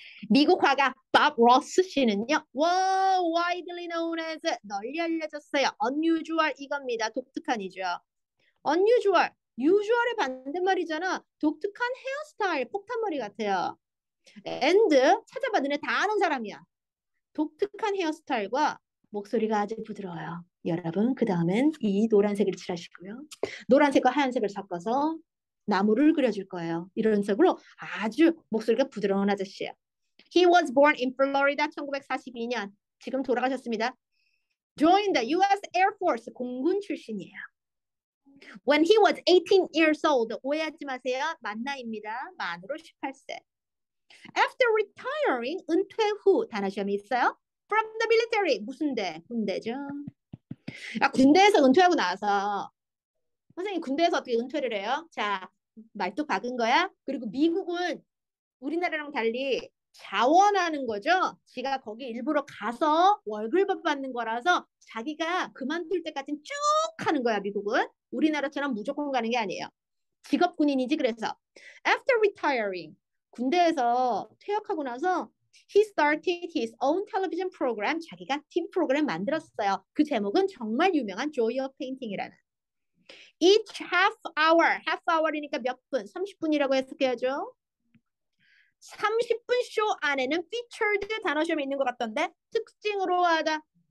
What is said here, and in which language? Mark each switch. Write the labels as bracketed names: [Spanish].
[Korean] 미국 화가 밥 로스 씨는요 와 [English] widely known as [Korean] 널리 알려졌어요 unusual 이겁니다 독특한이죠 unusual usual의 반대말이잖아 독특한 헤어스타일 폭탄 머리 같아요 and 찾아봐 너네 다 아는 사람이야 독특한 헤어스타일과 목소리가 아주 부드러워요. 여러분, 그 다음엔 이 노란색을 칠하시고요. 노란색과 하얀색을 섞어서 나무를 그려줄 거예요. 이런 색으로 아주 목소리가 부드러운 아저씨예요. [English] He was born in Florida 1942년. [Korean] 지금 돌아가셨습니다. [English] Joined the US Air Force [Korean] 공군 출신이에요. [English] When he was 18 years old, [Korean] 오해하지 마세요. 만 나이입니다. 만으로 18세. [English] After retiring, [Korean] 은퇴 후, 단어 시험이 있어요? [English] From the military [Korean] 무슨 대 군대죠? 야 군대에서 은퇴하고 나서 선생님 군대에서 어떻게 은퇴를 해요? 자 말뚝 박은 거야? 그리고 미국은 우리나라랑 달리 자원하는 거죠? 지가 거기 일부러 가서 월급 받는 거라서 자기가 그만둘 때까지 쭉 하는 거야 미국은 우리나라처럼 무조건 가는 게 아니에요. 직업군인이지 그래서 [English] After retiring [Korean] 군대에서 퇴역하고 나서 [English] He started his own television program. [Korean] 자기가 TV 프로그램 만들었어요. 그 제목은 정말 유명한 Joy of Painting이라는. [English] Each half hour [Korean] 이니까 몇 분? 30분이라고 해석해야죠. 30분 쇼 안에는 featured 단어 시험이 있는 것 같던데 특징으로 하다.